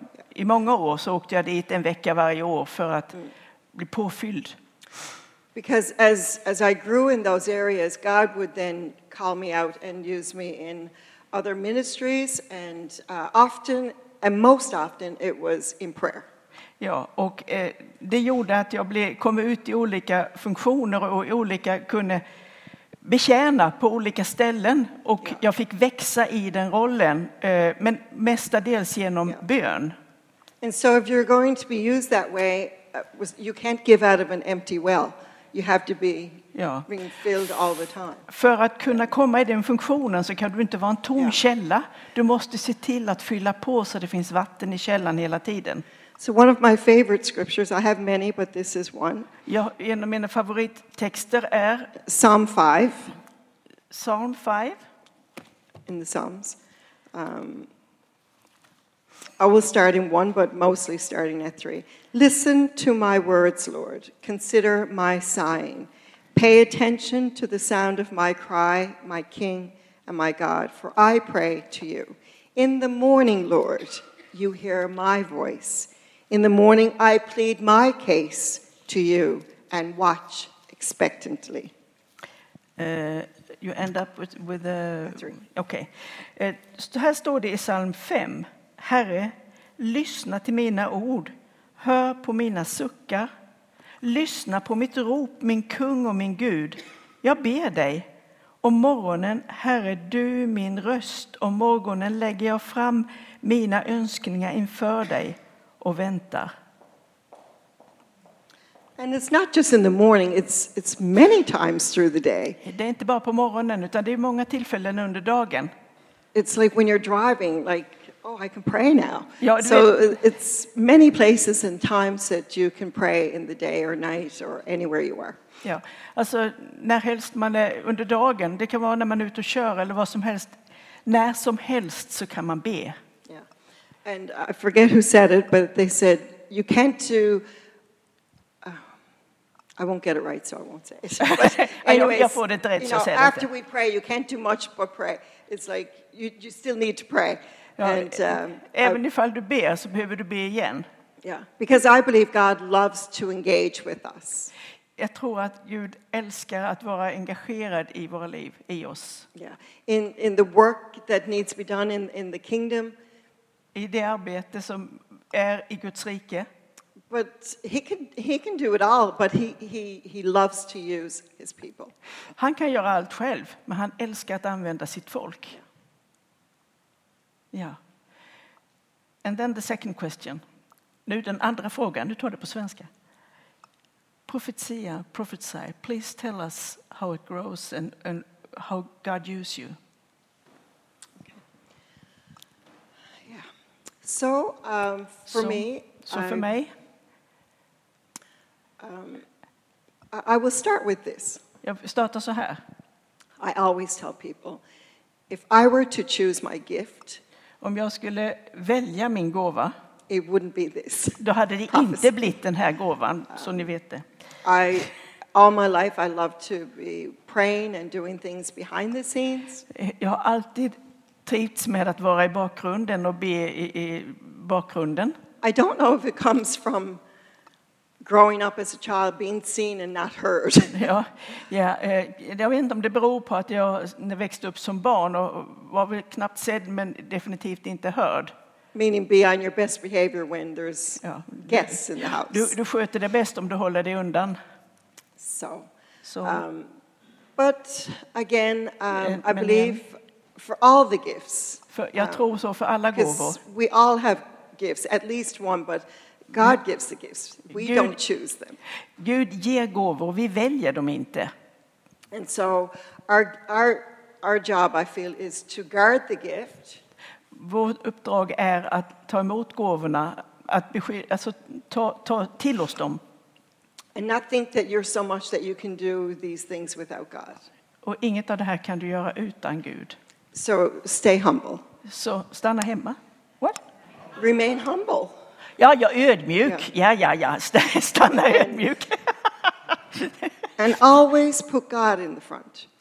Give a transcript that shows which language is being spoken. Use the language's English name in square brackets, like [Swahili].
[Swedish] I många år så åkte jag dit en vecka varje år för att bli påfylld. [English] Because as I grew in those areas, God would then call me out and use me in other ministries, and often, and most often, it was in prayer. [Swedish] Ja, och det gjorde att jag kom ut i olika funktioner och olika kunde betjäna på olika ställen, och yeah. jag fick växa i den rollen, men mestadels genom yeah. bön. [English] And so if you're going to be used that way, you can't give out of an empty well. You have to be yeah. being filled all the time. [Swedish] För att kunna komma i den funktionen så kan du inte vara en tom yeah. källa. Du måste se till att fylla på så det finns vatten i källan hela tiden. [English] So one of my favorite scriptures, I have many, but this is one. [Swedish] Ja, en av mina favorittexter är [English] Psalm 5. [Swedish] Psalm 5. [English] In the Psalms. I will start in 1, but mostly starting at 3. Listen to my words, Lord. Consider my sighing. Pay attention to the sound of my cry, my King and my God, for I pray to you. In the morning, Lord, you hear my voice. In the morning I plead my case to you and watch expectantly. You end up with a three. Okay. [Swedish] Här står det i psalm 5. Herre, lyssna till mina ord. Hör på mina suckar. Lyssna på mitt rop, min kung och min Gud. Jag ber dig. Om morgonen, Herre, du min röst. Om morgonen lägger jag fram mina önskningar inför dig. Och väntar. [English] And it's not just in the morning, it's many times through the day. [Swedish] Det är inte bara på morgonen, utan det är många tillfällen under dagen. [English] It's like when you're driving, like, oh, I can pray now. [Swedish] Ja, [English] so it's many places and times that you can pray in the day or night or anywhere you are. [Swedish] Ja. Alltså när helst man är under dagen, det kan vara när man är ute och kör eller vad som helst. När som helst så kan man be. [English] And I forget who said it, but they said, you can't do, I won't get it right, so I won't say it. Anyways, [Swedish] jag får det inte rätt, [English] you know, after we pray, you can't do much but pray. It's like, you still need to pray. [Swedish] Ja, and, även ifall du ber, så behöver du be igen. [English] Yeah, because I believe God loves to engage with us. [Swedish] Jag tror att Gud älskar att vara engagerad i våra liv, i oss. [English] Yeah, in the work that needs to be done in the kingdom. [Swedish] I det arbete som är i Guds rike. [English] But he can do it all, but he loves to use his people. [Swedish] Han kan göra allt själv, men han älskar att använda sitt folk. Ja. Yeah. [English] And then the second question. [Swedish] Nu den andra frågan, nu tar det på svenska. [English] Profetia, prophesy, please tell us how it grows and how God uses you. So for me, so for me, I will start with this. [Swedish] Jag startar så här. [English] I always tell people, if I were to choose my gift, [Swedish] om jag skulle välja min gåva, [English] it wouldn't be this. [Swedish] Då hade det inte blivit den här gåvan, så ni vet det. [English] All my life I love to be praying and doing things behind the scenes. [Swedish] Jag har alltid trivts med att vara i bakgrunden och be i bakgrunden. [English] I don't know if it comes from growing up as a child being seen and not heard. [Swedish] Ja, ja, jag vet inte om det beror på att jag växte upp som barn och var väl knappt sedd men definitivt inte hörd. [English] Meaning be on your best behavior when there's ja, guests in the house. [Swedish] Du sköter det bäst om du håller dig undan. [English] So. But again, I believe for all the gifts. [Swedish] För jag tror så för alla gåvor. [English] We all have gifts, at least one, but God gives the gifts. We Gud, don't choose them. [Swedish] Gud ger gåvor, vi väljer dem inte. [English] And so our job, I feel, is to guard the gift. [Swedish] Vårt uppdrag är att ta emot gåvorna, att ta till oss dem. [English] And not think that you're so much that you can do these things without God. [Swedish] Och inget av det här kan du göra utan Gud. [English] So stay humble. [Swedish] Så stanna hemma. [English] What? Remain humble. [Swedish] Ja, jag är ödmjuk. Yeah. Ja, ja, ja. Stanna ödmjuk. [English] And always put God in the front.